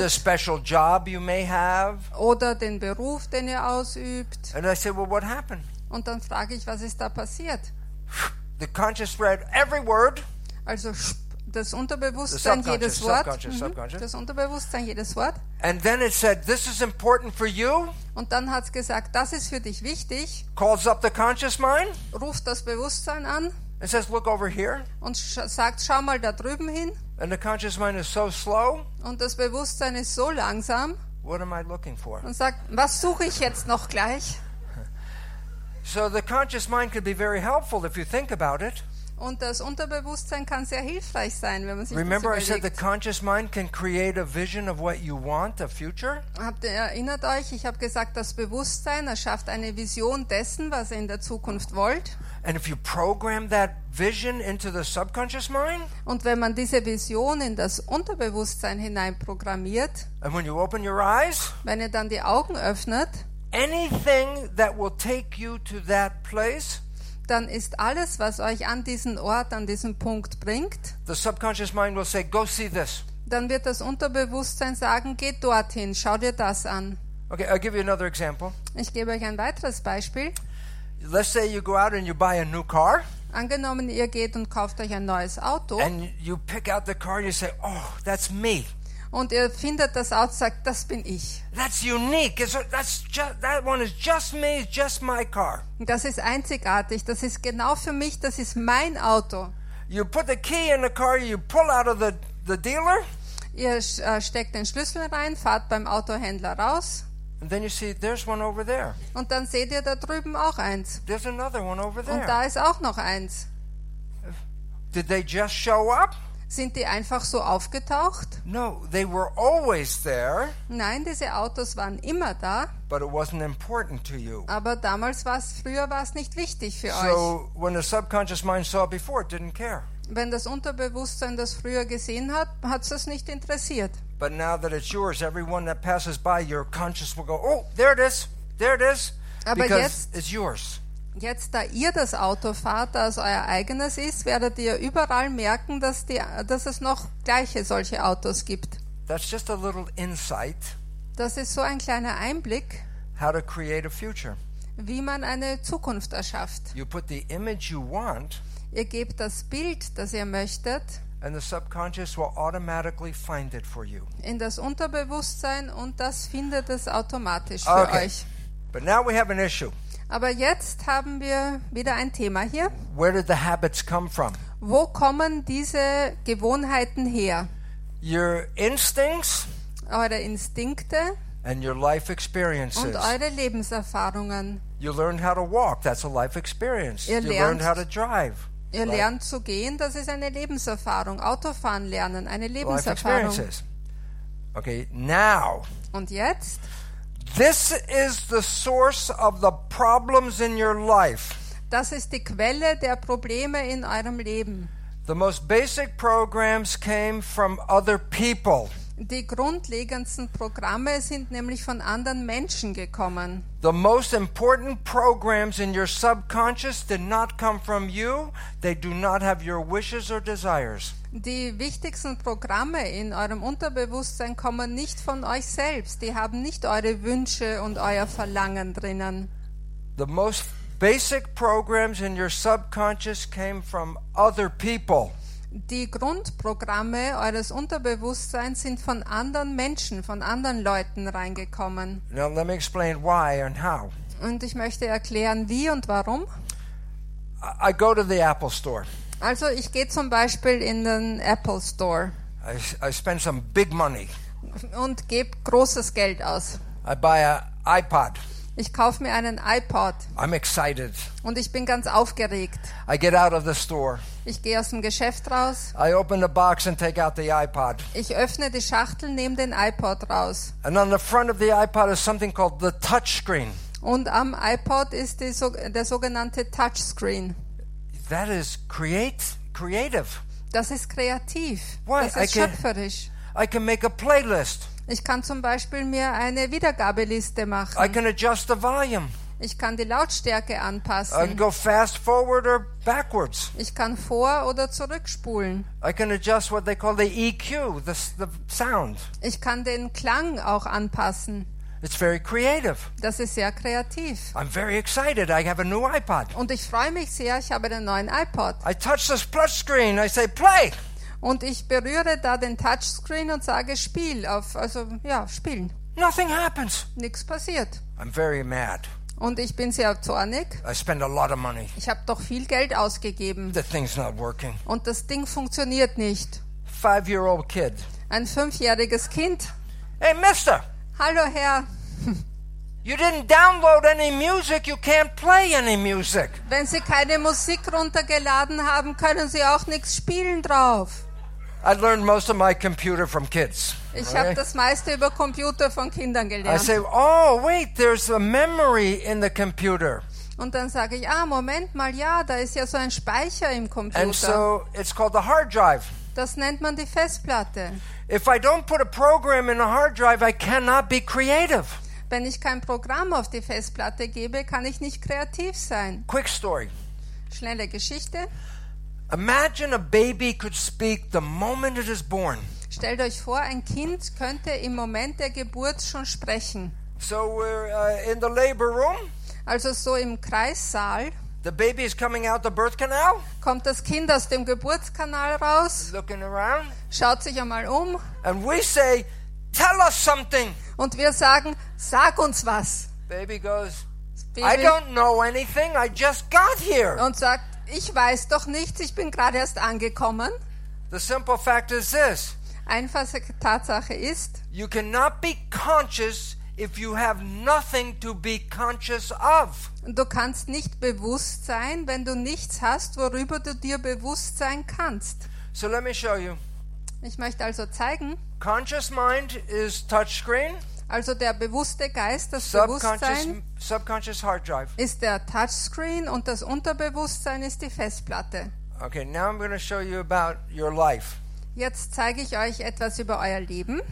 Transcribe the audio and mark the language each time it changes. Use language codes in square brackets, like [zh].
[en] The special job you may have. [de] Oder den Beruf, den ihr ausübt. [en] And I say, well, what happened? [de] Und dann frage ich, was ist da passiert? [en] The conscious read every word. [de] Also das Unterbewusstsein jedes Wort. Das Unterbewusstsein jedes Wort. [en] And then it said, this is important for you. [de] Und dann hat's gesagt, das ist für dich wichtig. [en] Calls up the conscious mind. [de] Ruft das Bewusstsein an. [en] It says, look over here. [de] Und sagt, schau mal da drüben hin. [en] And the conscious mind is so slow. [de] Und das Bewusstsein ist so langsam. [en] What am I looking for? [de] Und sagt, was suche ich jetzt noch gleich? [en] So the conscious mind could be very helpful if you think about it. [de] Und das Unterbewusstsein kann sehr hilfreich sein, wenn man sich [en] Remember [de] das überlegt. [en] I said the conscious mind can create a vision of what you want, a future? [de] Habt ihr erinnert euch, ich habe gesagt, das Bewusstsein erschafft eine Vision dessen, was ihr in der Zukunft wollt. [en] And if you program that vision into the subconscious mind? [de] Und wenn man diese Vision in das Unterbewusstsein hineinprogrammiert? [en] And when you open your eyes? [de] Wenn ihr dann die Augen öffnet? [en] Anything that will take you to that place? [de] Dann ist alles, was euch an diesen Ort, an diesen Punkt bringt, [en] the subconscious mind will say, go see this. [de] Dann wird das Unterbewusstsein sagen, geh dorthin, schau dir das an. [en] Okay, I'll give you another example. [de] Ich gebe euch ein weiteres Beispiel. [en] let's say you go out and you buy a new car. [de] Angenommen, ihr geht und kauft euch ein neues Auto. [en] And you pick out the car, you say, oh, that's me. [de] Und ihr findet das Auto, sagt, das bin ich. [en] That's unique. That's just, that one is just me, just my car. [de] Das ist einzigartig. Das ist genau für mich. Das ist mein Auto. [en] You put the key in the car, you pull out of the dealer. [de] Ihr steckt den Schlüssel rein, fahrt beim Autohändler raus. [en] And then you see, there's one over there. [de] Und dann seht ihr da drüben auch eins. [en] There's another one over there. [de] Und da ist auch noch eins. [en] Did they just show up? [de] Sind die einfach so aufgetaucht? [en] No, they were always there. [de] Nein, diese Autos waren immer da. [en] But it wasn't important to you. [de] Aber damals war es nicht wichtig für [en] so [de] euch. [en] So when the subconscious mind saw it before, it didn't care. [de] Wenn das Unterbewusstsein das früher gesehen hat, hat es das nicht interessiert. [en] But now that it's yours, everyone that passes by, your conscious will go, oh, there it is, there it is. [de] Aber [en] because [de] jetzt, [en] it's yours. [de] Jetzt, da ihr das Auto fahrt, das euer eigenes ist, werdet ihr überall merken, dass es noch gleiche solche Autos gibt. [en] That's just a little insight. [de] Das ist so ein kleiner Einblick. [en] How to create a future. [de] Wie man eine Zukunft erschafft. [en] You put the image you want. [de] Ihr gebt das Bild, das ihr möchtet, [en] and the subconscious will automatically find it for you. [de] In das Unterbewusstsein, und das findet es automatisch für [en] okay. [de] euch. [en] But now we have an issue. [de] Aber jetzt haben wir wieder ein Thema hier. [en] Where did the habits come from? [de] Wo kommen diese Gewohnheiten her? [en] Your instincts, [de] eure Instinkte, [en] and your life experiences. [de] Und eure Lebenserfahrungen. [en] You learn how to walk, that's a life experience. [de] Ihr [en] you learn how to drive. Ihr life. [de] Lernt zu gehen, das ist eine Lebenserfahrung. Autofahren lernen, eine Lebenserfahrung. [en] Life experiences. Okay, now. [de] Und jetzt? [en] This is the source of the problems in your life. [de] Das ist die Quelle der Probleme in eurem Leben. [en] The most basic programs came from other people. [de] Die grundlegendsten Programme sind nämlich von anderen Menschen gekommen. [en] The most important programs in your subconscious did not come from you. They do not have your wishes or desires. [de] Die wichtigsten Programme in eurem Unterbewusstsein kommen nicht von euch selbst. Die haben nicht eure Wünsche und euer Verlangen drinnen. [en] The most basic programs in your subconscious came from other people. [de] Die Grundprogramme eures Unterbewusstseins sind von anderen Menschen, von anderen Leuten reingekommen. [en] Now let me explain why and how. [de] Und ich möchte erklären, wie und warum. [en] I go to the Apple Store. [de] Also ich gehe zum Beispiel in den Apple Store. [en] I spend some big money. [de] Und gebe großes Geld aus. [en] I buy an iPod. [de] Ich kaufe mir einen iPod. [en] I'm excited. [de] Und ich bin ganz aufgeregt. [en] I get out of the store. [de] Ich gehe aus dem Geschäft raus. [en] I open the box and take out the iPod. [de] Ich öffne die Schachtel, nehme den iPod raus. [en] And on the front of the iPod is something called the touchscreen. [de] Und am iPod ist der sogenannte Touchscreen. [en] That is creative. [de] Das ist kreativ. [en] What? [de] Das ist schöpferisch. [en] I can make a playlist. [de] Ich kann zum Beispiel mir eine Wiedergabeliste machen. [en] I can adjust the volume. [de] Ich kann die Lautstärke anpassen. [en] I can go fast forward or backwards. [de] Ich kann vor- oder zurückspulen. [en] I can adjust what they call the EQ, the sound. [de] Ich kann den Klang auch anpassen. [en] It's very creative. [de] Das ist sehr kreativ. [en] I'm very excited. I have a new iPod. [de] Und ich freue mich sehr, ich habe den neuen iPod. [en] I touch the splash screen. I say play. [de] Und ich berühre da den Touchscreen und sage Spiel auf, also ja, spielen. [en] Nothing happens. [de] Nichts passiert. [en] I'm very mad. [de] Und ich bin sehr zornig. [en] I spend a lot of money. [de] Ich habe doch viel Geld ausgegeben. [en] The thing's not working. [de] Und das Ding funktioniert nicht. [en] 5-year-old kid. [de] Ein 5-jähriges Kind. [en] Hey, Mister. [de] Hallo, Herr. [en] You didn't download any music, you can't play any music. [de] Wenn Sie keine Musik runtergeladen haben, können Sie auch nichts spielen drauf. [en] I learned most of my computer from kids. [de] Ich habe das meiste über Computer von Kindern gelernt. [en] I say, oh, wait, there's a memory in the computer. [de] Und dann sage ich, ah, Moment mal, ja, da ist ja so ein Speicher im Computer. [en] And so it's called the hard drive. [de] Das nennt man die Festplatte. [en] If I don't put a program in a hard drive, I cannot be creative. [de] Wenn ich kein Programm auf die Festplatte gebe, kann ich nicht kreativ sein. [en] Quick story. [de] Schnelle Geschichte. [en] Imagine a baby could speak the moment it is born. [de] Stellt euch vor, ein Kind könnte im Moment der Geburt schon sprechen. [en] So we're in the labor room. [de] Also so im Kreissaal. [en] The baby is coming out the birth canal. [de] Kommt das Kind aus dem Geburtskanal raus. [en] Looking around. [de] Schaut sich einmal um. [en] And we say, tell us something. [de] Und wir sagen, sag uns was. [en] Baby goes, I don't know anything. I just got here. [de] Und sagt, ich weiß doch nichts. Ich bin gerade erst angekommen. [en] The simple fact is this. [de] Einfache Tatsache ist, [en] you cannot be conscious if you have nothing to be conscious of. [de] Du kannst nicht bewusst sein, wenn du nichts hast, worüber du dir bewusst sein kannst. [en] So let me show you. [de] Ich möchte also zeigen. [en] Conscious mind is touchscreen. [de] Also der bewusste Geist, das Bewusstsein, [en] subconscious hard drive. [de] Ist der Touchscreen und das Unterbewusstsein ist die Festplatte. [en] Okay, now I'm going to show you about your life. [de] Jetzt zeige ich euch etwas über euer Leben.